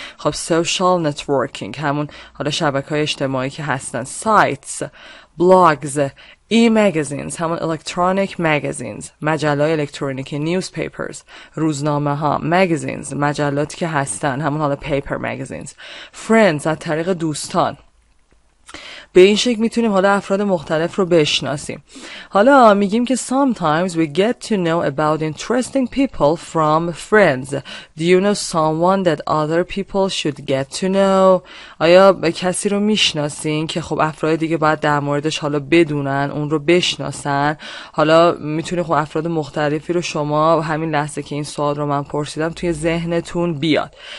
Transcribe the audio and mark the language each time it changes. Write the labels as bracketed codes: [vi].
[fa] خب social networking، همون حالا شبکه‌های اجتماعی که هستن، sites، blogs، e-magazines، همون electronic magazines، مجلات الکترونیکی، newspapers، روزنامه ها، magazines، مجلاتی که هستن، همون حالا paper magazines، friends، از طریق دوستان. به این شکل میتونیم حالا افراد مختلف رو بشناسیم. حالا میگیم که [en] sometimes we get to know about interesting people from friends. Do you know someone that other people should get to know؟ [fa] آیا کسی رو میشناسین که خب افراد دیگه باید در موردش حالا بدونن، اون رو بشناسن؟ حالا میتونه خب افراد مختلفی رو شما همین لحظه که این سوال رو من پرسیدم توی ذهنتون بیاد.